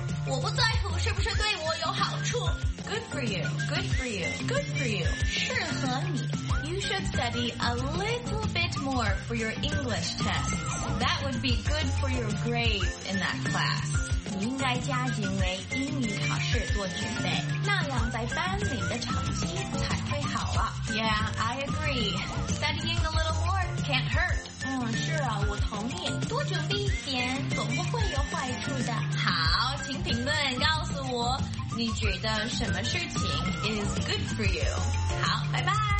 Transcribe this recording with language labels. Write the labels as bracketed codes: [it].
[zh] 我不在乎是不是对我有好处。 [en] Good for you, good for you, good for you. [zh] 适合你。 [en] You should study a little bit more for your English test. That would be good for your grades in that class. [zh] 你应该加紧为英语考试做准备，那样在班里的成绩才会好啊。 [en] Yeah, I agree. Studying a little more can't hurt. [zh] 是啊，我同意，多准备一点总不会有坏处的。好，请评论告诉我，你觉得什么事情 [en] is good for you？ [zh] 好，拜拜。